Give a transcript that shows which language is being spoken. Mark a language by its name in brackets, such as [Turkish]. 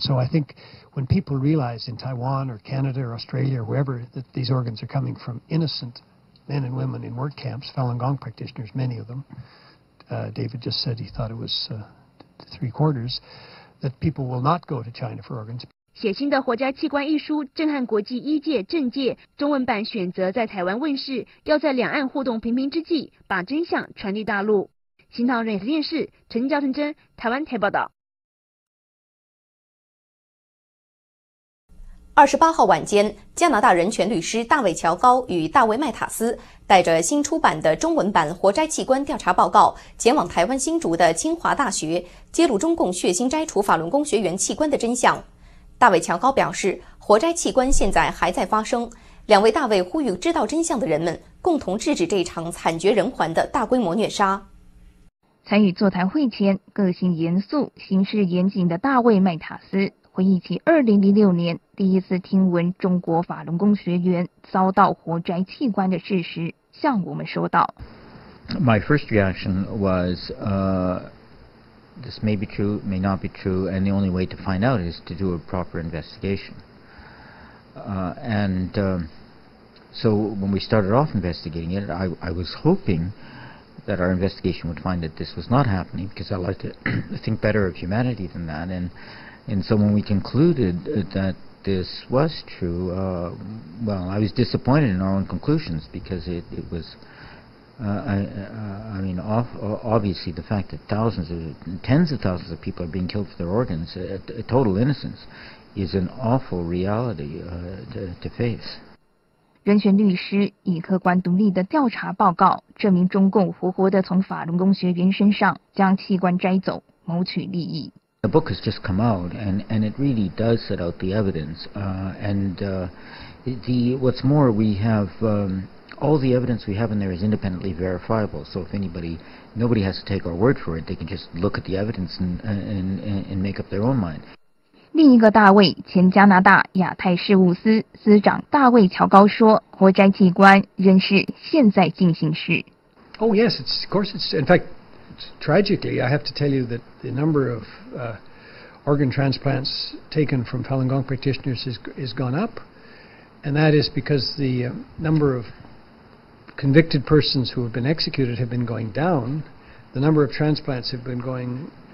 [English] So I think when people realize in Taiwan or Canada or Australia or wherever that these organs are coming from innocent men and women in work camps, Falun Gong practitioners, many of them, David just said he thought it was 3/4, that people will not go to China for organs. [Chinese] 血腥的活摘器官一书震撼国际医界、政界，中文版选择在台湾问世，要在两岸互动频频之际把真相传递大陆。新唐人电视陈嘉诚真台湾台报道。 28号晚间，加拿大人权律师大卫乔高与大卫麦塔斯带着新出版的中文版活摘器官调查报告，前往台湾新竹的清华大学，揭露中共血腥摘除法轮功学员器官的真相。大卫乔高表示，活摘器官现在还在发生，两位大卫呼吁知道真相的人们共同制止这场惨绝人寰的大规模虐杀。参与座谈会前，个性严肃、行事严谨的大卫麦塔斯回忆起2006年第一次听闻中国法轮功学员遭到活摘器官的事实，向我们说道。 [English] My first reaction was, this may be true, may not be true, and the only way to find out is to do a proper investigation. So when we started off investigating it, I was hoping that our investigation would find that this was not happening, because I like to think better of humanity than that. And so when we concluded that this was true, I was disappointed in our own conclusions, because obviously the fact that tens of thousands of people are being killed for their organs, total innocence, is an awful reality to face. [Chinese] 人权律师以客观独立的调查报告证明中共活活地从法轮功学员身上将器官摘走，谋取利益。 [English] The book has just come out, and it really does set out the evidence. What's more, we have all the evidence we have in there is independently verifiable. So if anybody, nobody has to take our word for it. They can just look at the evidence and make up their own mind. [Chinese] 另一个大卫，前加拿大亚太事务司司长大卫乔高说，活摘器官仍是现在进行时。 [English] Oh yes, it's, of course, it's, in fact, tragically, I have to tell you that the number of organ transplants taken from Falun Gong practitioners is gone up, and that is because the number of convicted persons who have been executed have been going down, the number of transplants have been going